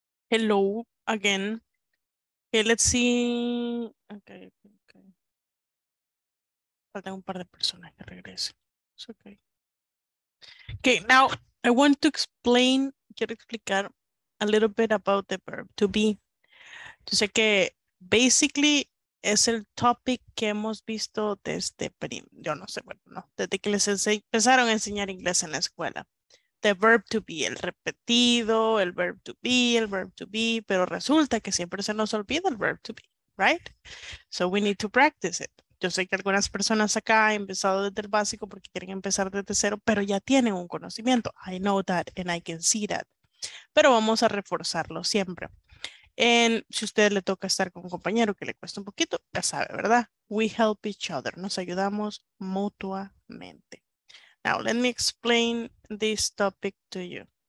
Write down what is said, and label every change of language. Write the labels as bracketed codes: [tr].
[en] Hello again. Okay, let's see. Okay, okay. [es] Faltan un par de personas que regresen. [en] It's okay. Okay, now I want to explain, [es] quiero explicar [en] a little bit about the verb to be. [es] Yo sé que basically es el topic que hemos visto desde, yo no sé, bueno, no, desde que les empezaron a enseñar inglés en la escuela. The verb to be, el repetido, el verb to be, el verb to be, pero resulta que siempre se nos olvida el verb to be, right? [en] So we need to practice it. [es] Yo sé que algunas personas acá han empezado desde el básico porque quieren empezar desde cero, pero ya tienen un conocimiento. [en] I know that and I can see that. [es] Pero vamos a reforzarlo siempre. And si a usted le toca estar con un compañero que le cuesta un poquito, ya sabe, ¿verdad? [en] We help each other. [es] Nos ayudamos mutuamente. [en] Now, let me explain this topic to you.